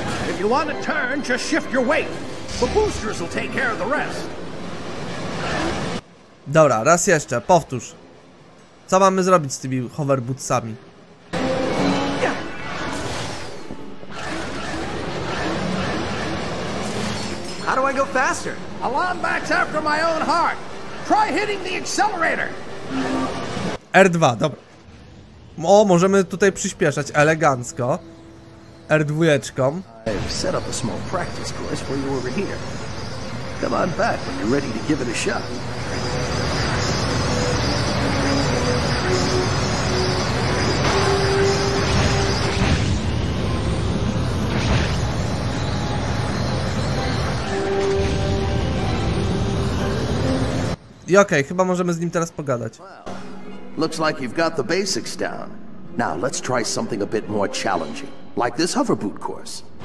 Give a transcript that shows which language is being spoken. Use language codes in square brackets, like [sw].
[en] If you want to turn, just shift your weight. The boosters will take care of the rest. [pl] Dobra, raz jeszcze, powtórz. Co mamy zrobić z tymi hoverbootsami? [en] How do I go faster? Alarm backs after my own heart. Try hitting the accelerator. [pl] R2, dobra. O, możemy tutaj przyspieszać elegancko. R2-eczką. [en] I've set up a small practice course for you over here. Come on back when you're ready to give it a shot. [pl] I okej, chyba możemy z nim teraz pogadać. [en] Looks like you've got the basics down. Now let's try something a bit more challenging, like this hoverboot course.